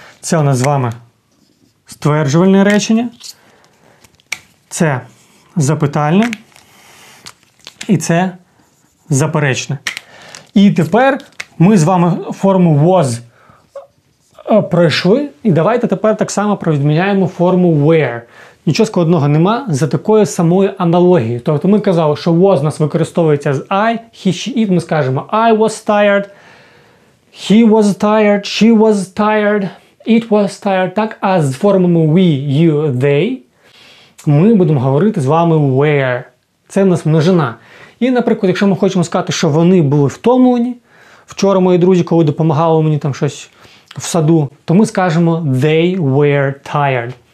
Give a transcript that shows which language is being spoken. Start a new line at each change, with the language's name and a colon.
Ukrainian: Це у нас з вами стверджувальне речення, це запитальне і це заперечне. І тепер ми з вами форму was пройшли, і давайте тепер так само провідміняємо форму were. Нічого складного нема за такою самою аналогією. Тобто ми казали, що was у нас використовується з I, he, she, it, ми скажемо
English: I was tired, he was tired, she was tired. It was tired,
Ukrainian: так? А з формами we, you, they ми будемо говорити з вами where. Це в нас множина. І, наприклад, якщо ми хочемо сказати, що вони були втомлені, вчора мої друзі, коли допомагали мені там щось в саду, то ми скажемо
English: they were tired.